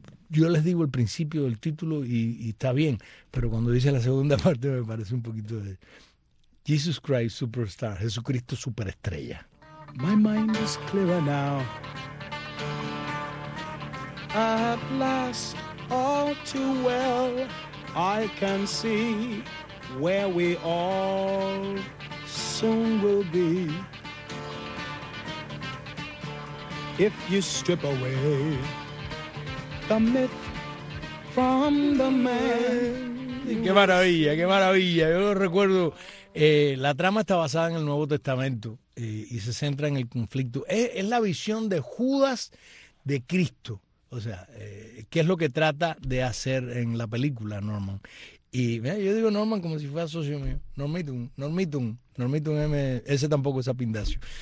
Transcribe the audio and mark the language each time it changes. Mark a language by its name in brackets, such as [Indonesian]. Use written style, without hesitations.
[Spanish] Yo les digo el principio del título y está bien, pero cuando dice la segunda parte me parece un poquito de Jesus Christ Superstar, Jesucristo Superestrella. [English] My mind is clearer now. At last, all too well, I can see where we all soon will be. If you strip away the myth from the man. [Spanish] Qué maravilla, qué maravilla. Yo recuerdo, la trama está basada en el Nuevo Testamento y se centra en el conflicto. Es la visión de Judas de Cristo. O sea, ¿qué es lo que trata de hacer en la película, Norman? Y mira, yo digo Norman como si fuera socio mío. Normitum, ese tampoco es apindacio.